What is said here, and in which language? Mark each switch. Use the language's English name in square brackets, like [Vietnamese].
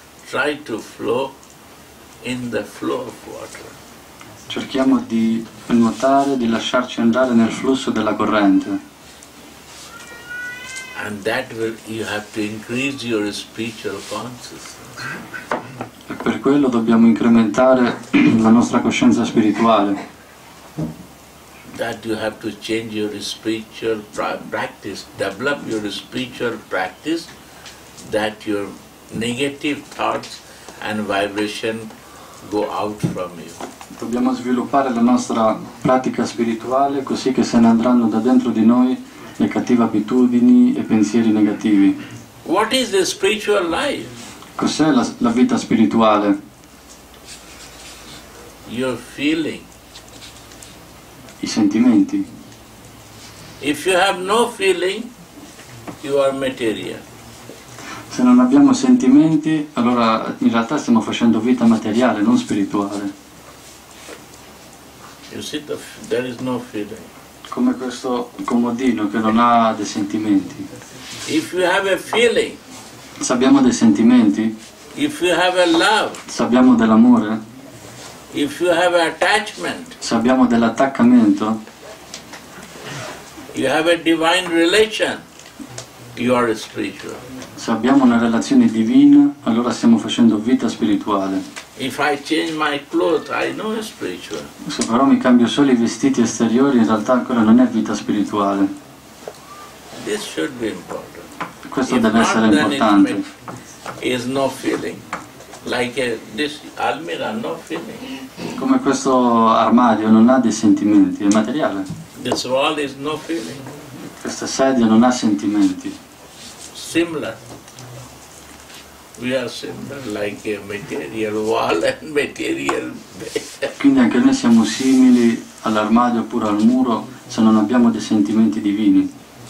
[English] Try to flow in the flow of water. [Italian] Cerchiamo di nuotare, di lasciarci andare nel flusso della corrente. [English] And that will, you have to increase your spiritual consciousness. [Italian] E per quello dobbiamo incrementare la nostra coscienza spirituale. [English] That you have to change your spiritual practice, develop your spiritual practice, that your negative thoughts and vibration go out from you. [Italian] Dobbiamo sviluppare la nostra pratica spirituale così che se ne andranno da dentro di noi le cattive abitudini e pensieri negativi. [English] What is the spiritual life? [Italian] Cos'è la vita spirituale? [English] Your feeling. [Italian] I sentimenti. [English] If you have no feeling, you are material. [Italian] Se non abbiamo sentimenti, allora in realtà stiamo facendo vita materiale, non spirituale. [English] You see, there is no feeling. [Italian] Come questo comodino che non ha dei sentimenti. [English] If you have a feeling. [Italian] Se abbiamo dei sentimenti. [English] If you have a love. [Italian] Se abbiamo dell'amore. [English] If you have attachment. [Italian] Se abbiamo dell'attaccamento. [English] You have a divine relation. You are spiritual. [Italian] Se abbiamo una relazione divina, allora stiamo facendo vita spirituale. [English] If I change my clothes, I know it's spiritual. [Italian] Se però mi cambio solo i vestiti esteriori, in realtà ancora non è vita spirituale. [English] This should be important. [Italian] Questo deve essere importante. [English] Is no feeling. Like this almirah, no feeling. [Italian] Come questo armadio non ha dei sentimenti, è materiale. [English] This wall is no feeling. [Italian] Questa sedia non ha sentimenti. [English] Similar. We are similar, like a material wall and material bed. [Italian] Quindi anche noi siamo simili all'armadio oppure al muro se non abbiamo dei sentimenti divini.